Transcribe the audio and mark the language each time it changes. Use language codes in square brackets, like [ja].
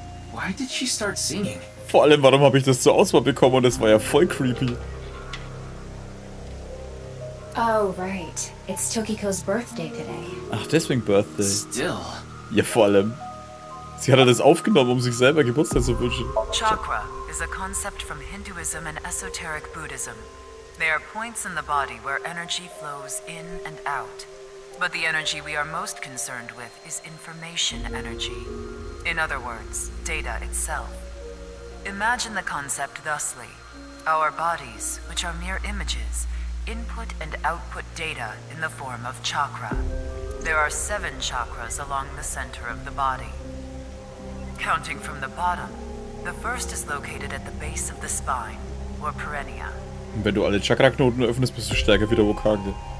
[en] Why did she start singing? [de] Vor allem, warum habe ich das zur Auswahl bekommen und es war ja voll creepy. [en] Oh, right. It's Tokiko's birthday today. [de] Ach, deswegen birthday. [en] Still. [de] Ja, vor allem. Sie hat alles aufgenommen, um sich selber Geburtstag zu wünschen. [en] Chakra is a concept from Hinduism and esoteric Buddhism. They are points in the body where energy flows in and out. But the energy we are most concerned with is information energy. In other words, data itself. Imagine the concept thusly. Our bodies, which are mere images, input and output data in the form of chakra. There are seven chakras along the center of the body. Counting from the bottom, the first is located at the base of the spine, or perinea. [de] Wenn du alle Chakra-Knoten öffnest, bist du stärker wie der Hokage.